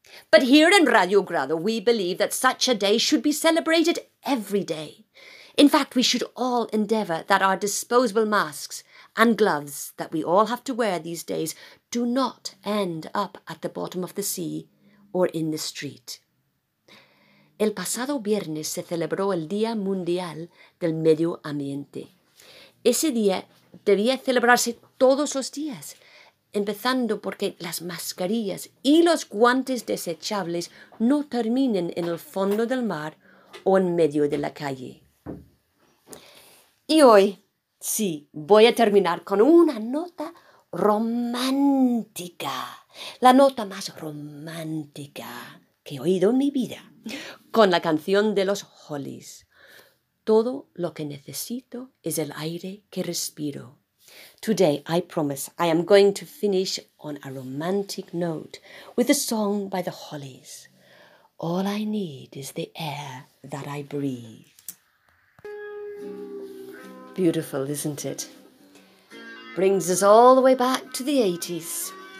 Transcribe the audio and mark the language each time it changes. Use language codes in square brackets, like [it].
[en] But here in Radio Grado, we believe that such a day should be celebrated every day. In fact, we should all endeavour that our disposable masks and gloves that we all have to wear these days do not end up at the bottom of the sea or in the street. [es] El pasado viernes se celebró el Día Mundial del Medio Ambiente. Ese día debía celebrarse todos los días, empezando porque las mascarillas y los guantes desechables no terminen en el fondo del mar o en medio de la calle. Y hoy, sí, voy a terminar con una nota romántica. La nota más romántica que he oído en mi vida. Con la canción de los Hollies. Todo lo que necesito es el aire que respiro. [en] Today, I promise, I am going to finish on a romantic note with a song by the Hollies. All I need is the air that I breathe. Beautiful, isn't it? Brings us all the way back to the 80s.